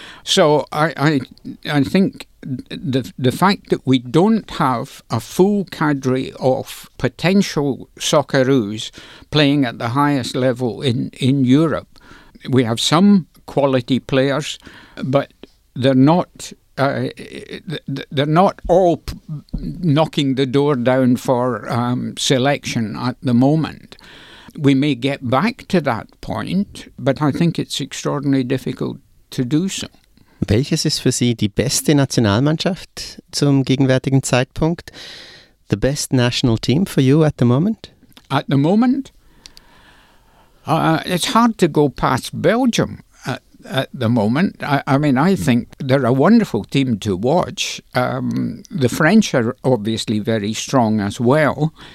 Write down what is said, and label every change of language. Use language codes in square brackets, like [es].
[en] So I think the fact that we don't have a full cadre of potential socceroos playing at the highest level in Europe, we have some quality players, but they're not all knocking the door down for selection at the moment. We may get back to that point, but I think it's extraordinarily difficult to do so. [de] Welches ist für Sie die beste Nationalmannschaft zum gegenwärtigen Zeitpunkt? [en] The best national team for you at the moment? At the moment? It's hard to go past Belgium at the moment. I mean, I think they're a wonderful team to watch. The French are obviously very strong as well.